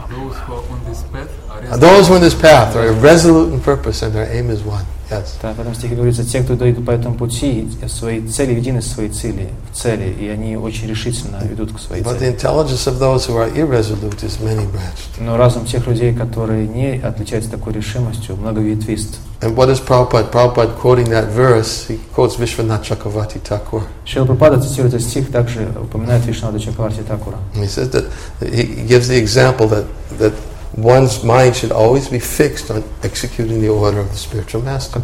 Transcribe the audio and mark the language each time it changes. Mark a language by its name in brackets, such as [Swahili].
[English] Those who are on this path are resolute in purpose and their aim is one. Yes. [Russian] Да, в этом стихе говорится, те, кто идут по этому пути, свои цели едины, свои цели в цели, и они очень решительно ведут к своей цели. [English] But the intelligence of those who are irresolute is many-branched. [Russian] Но разум тех людей, которые не отличаются такой решимостью, многоветвист. [English] And what is Prabhupada? Prabhupada quoting that verse, he quotes Vishwanath Chakravarti Thakur. [Russian] Шрила Прабхупада цитирует этот стих, также упоминает Вишванатха Чакраварти Такура. [English] He says that he gives the example that one's mind should always be fixed on executing the order of the spiritual master.